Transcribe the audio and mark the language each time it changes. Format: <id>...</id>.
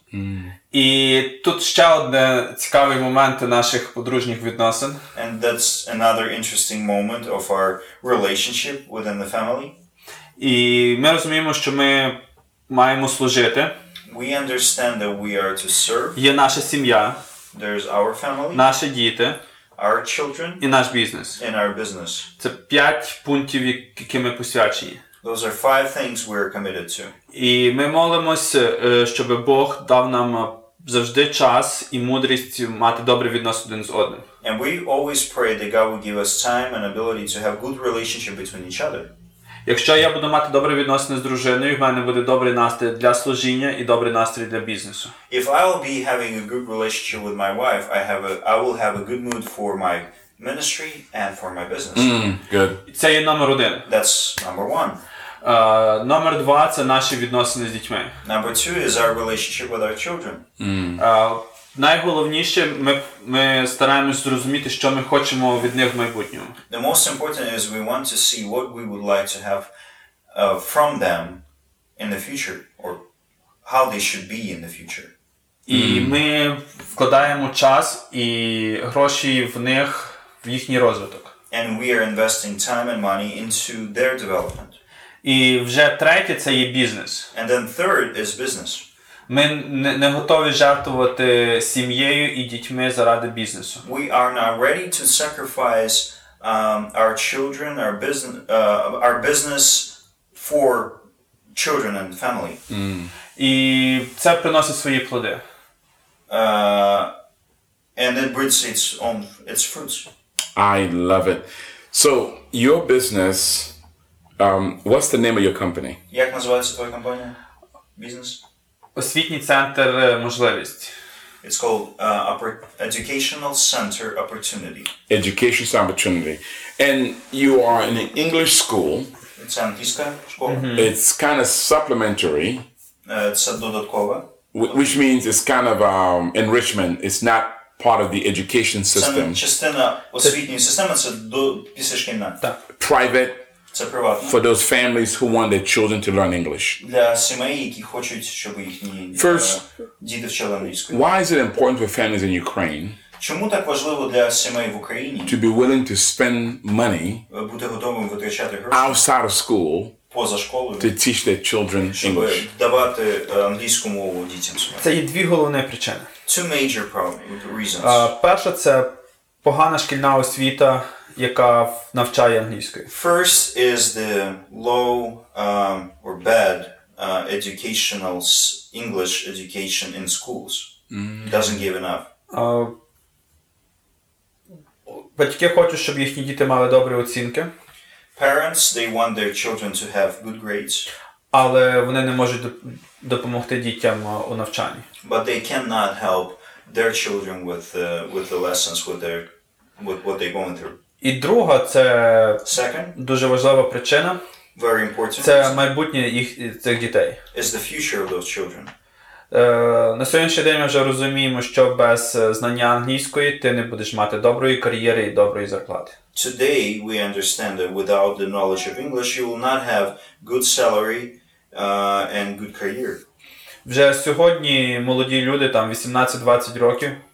<uk>Mm. І тут ще одне цікавий момент наших подружніх відносин.</uk> <en>And that's another interesting moment of our relationship within the family.</en> <uk>І ми розуміємо, що ми маємо служити.</uk> <en>We understand that we are to serve.</en> <uk>Є наша сім'я.</uk> <en>There's our family.</en> <uk>Наші діти.</uk> <en>Our children.</en> <uk>І наш бізнес.</uk> <en>And our business.</en> <uk>Це 5 пунктів, які ми посвячені.</uk> <en>Those are five things we're committed to.</en> <uk>І ми молимося, щоб Бог дав нам завжди час і мудрість мати добре відносини один з одним.</uk> <en>And we always pray that God will give us time and ability to have good relationship between each other.</en> <uk>Якщо я буду мати добре відносини з дружиною, в мене буде добрий настрій для служіння і добрий настрій для бізнесу.</uk> <en>If I will be having a good relationship with my wife, I will have a good mood for my ministry and for my business. Mm, good.</en> <uk>Це є номер один.</uk> <en>That's number one.</en> <uk>Номер два – це наші відносини з дітьми.</uk> <en>Number two is our relationship with our children. Mm.</en> <uk>Найголовніше, ми стараємось зрозуміти, що ми хочемо від них в майбутньому.</uk> <en>The most important is we want to see what we would like to have from them in the future, or how they should be in the future.</en> <uk>І ми вкладаємо час і гроші в них, в їхній розвиток.</uk> <en>And we are investing time and money into their development.</en> <uk>І вже третє – це є бізнес.</uk> <en>And then third is business.</en> <uk>Ми не готові жертвувати сім'єю і дітьми заради бізнесу.</uk> <en>We are not ready to sacrifice our children, our business for children and family. Mm.</en> <uk>І це приносить свої плоди.</uk> <en>And it brings its fruits. I love it. So, your business, what's the name of your company?</en> <uk>Як називається твоя компанія? Бізнес? Освітній центр можливості.</uk> <en>It's called Educational Center Opportunity. Education Center Opportunity. And you are in an English school.</en> <uk>Це англійська школа. Mm-hmm.</uk> <en>It's kind of supplementary.</en> <uk>Це додаткова.</uk> <en>Which means it's kind of enrichment. It's not part of the education system.</en> <uk>Це частина освітньої системи, це до після шкільна. Так.</uk> <en>Private.</en> <uk>Це приватно.</uk> <en>For those families who want their children to learn English.</en> <uk>Для сімей, які хочуть, щоб їхні діти вчили англійську.</uk> <en>Why is it important for families in Ukraine?</en> <uk>Чому так важливо для сімей в Україні?</uk> <en>To be willing to spend money.</en> <uk>Бути готовим витрачати гроші.</uk> <en>Outside of school.</en> <uk>Поза школою.</uk> <en>To teach their children English.</en> <uk>Щоб давати англійську мову дітям сімей. Це є дві головні причини.</uk> <en>Two major reasons.</en> <uk>Перша це погана шкільна освіта, яка навчає англійською.</uk> <en>First is the low or bad educational English education in schools. Mm-hmm. Doesn't give enough.</en> <uk>Батьки хочуть, щоб їхні діти мали добрі оцінки.</uk> <en>Parents, they want their children to have good grades.</en> <uk>Але вони не можуть допомогти дітям у навчанні.</uk> <en>But they cannot help their children with the lessons, with what they're going through.</en> <uk>І друга це</uk> <en>second,</en> <uk>дуже важлива причина.</uk> <en>Very important.</en> <uk>Це майбутнє цих дітей.</uk> <en>Is the future of those children.</en> <uk>На сьогоднішній день ми вже розуміємо, що без знання англійської ти не будеш мати доброї кар'єри і доброї зарплати.</uk> <en>Today we understand that without the knowledge of English you will not have good salary and good career.</en> <uk>Вже сьогодні молоді люди там 18-20 років.</uk>